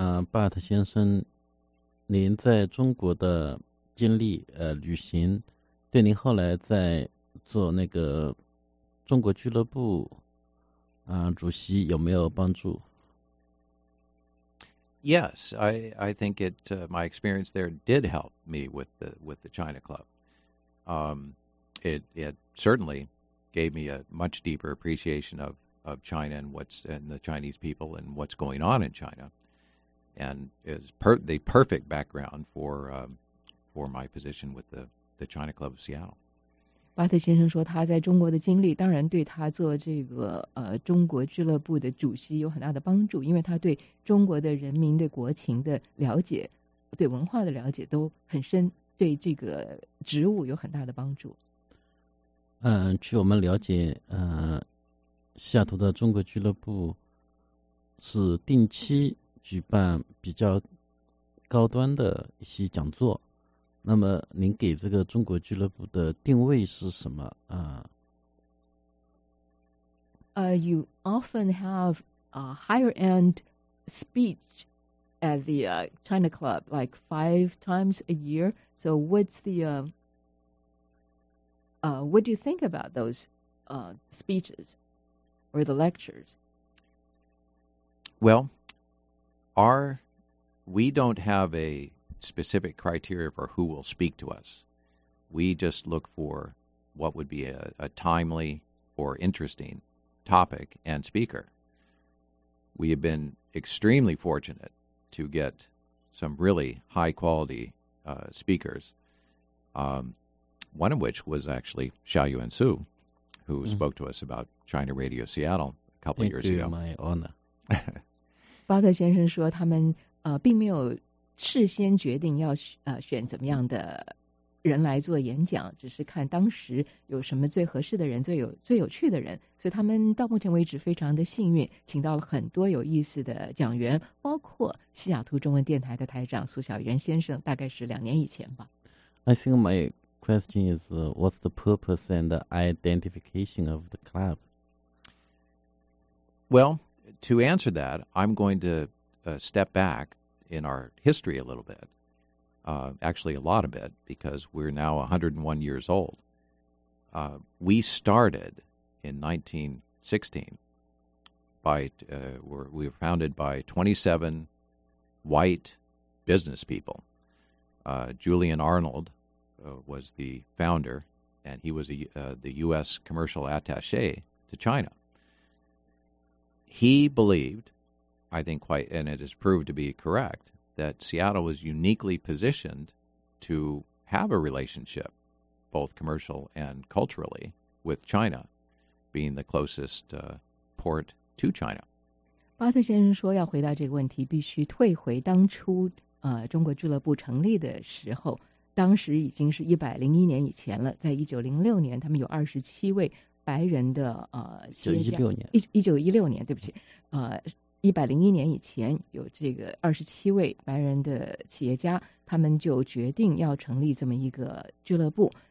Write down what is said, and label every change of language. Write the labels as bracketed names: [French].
[Chinese] 巴特先生，您在中国的经历旅行对您后来在做那个中国俱乐部主席有没有帮助？ [English] Yes, I think it, my experience there did help me with the China Club. It certainly gave me a much deeper appreciation of China and what's and the Chinese people and what's going on in China, and is the perfect background for my position with the China Club of Seattle. [Chinese] 巴特先生说他在中国的经历当然对他做这个中国俱乐部的主席有很大的帮助，因为他对中国的人民、对国情的了解、对文化的了解都很深，对这个职务有很大的帮助。据我们了解，西雅图的中国俱乐部是定期举办比较高端的一些讲座，那么您给这个中国俱乐部的定位是什么啊？ [English] You often have a higher end speech at the China Club like 5 times a year. So what's the, what do you think about those speeches or the lectures? Well, we don't have a specific criteria for who will speak to us. We just look for what would be a timely or interesting topic and speaker. We have been extremely fortunate to get some really high-quality speakers, one of which was actually Xiaoyuan Su, who spoke to us about China Radio Seattle a couple of years ago. Thank you, my honor. [Chinese] 巴特先生说他们并没有事先决定要选怎么样的人来做演讲，只是看当时有什么最合适的人，最有趣的人，所以他们到目前为止非常的幸运，请到了很多有意思的讲员，包括西雅图中文电台的台长苏小元先生，大概是2年以前吧。 [English] I think my question is, what's the purpose and the identification of the club? Well, to answer that, I'm going to step back in our history a little bit. Actually, a lot of it, because we're now 101 years old. We started in 1916. We were founded by 27 white business people. Julian Arnold was the founder, and he was the U.S. commercial attaché to China. He believed, I think quite, and it has proved to be correct, that Seattle was uniquely positioned to have a relationship, both commercial and culturally, with China, being the closest port to China. [Chinese] 巴特先生说，要回答这个问题，必须退回当初中国俱乐部成立的时候，当时已经是101年以前了。在1906年，他们有27位白人的1916年，对不起，101年以前有这个27位白人的企业家，他们就决定要成立这么一个俱乐部。